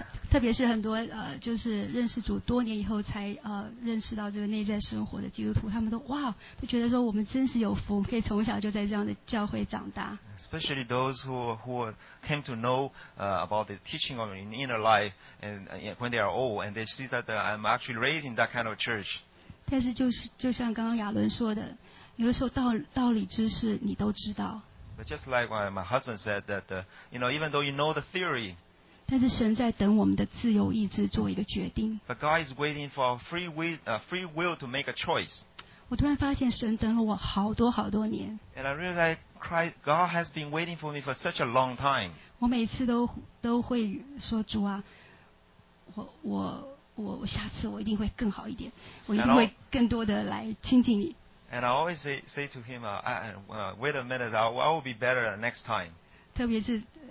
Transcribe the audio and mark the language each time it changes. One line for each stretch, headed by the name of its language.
Chinese: 特别是很多就是认识主多年以后才认识到这个内在生活的基督徒，他们都哇，都觉得说我们真是有福，可以从小就在这样的教会长大。
English: Especially those who came to know about the teaching of inner life and when they are old, and they see that I'm actually raised in that kind of church.
Chinese: 但是就像刚刚亚伦说的，有的时候道理知识你都知道。
English: But just like my husband said that you know even though you know the theory.
Chinese: 但是神在等我们的自由意志做一个决定。
English: But God is waiting for free will to make a choice.
Chinese: 我突然发现神等了我好多好多年。
English: And I realize Christ, God has been waiting for me for such a long time.
Chinese: 我每次都会说主啊，我下次我一定会更好一点，我一定会更多的来亲近你。
English: And I always say to him, wait a minute, I will be better next time.
Chinese: 特别是。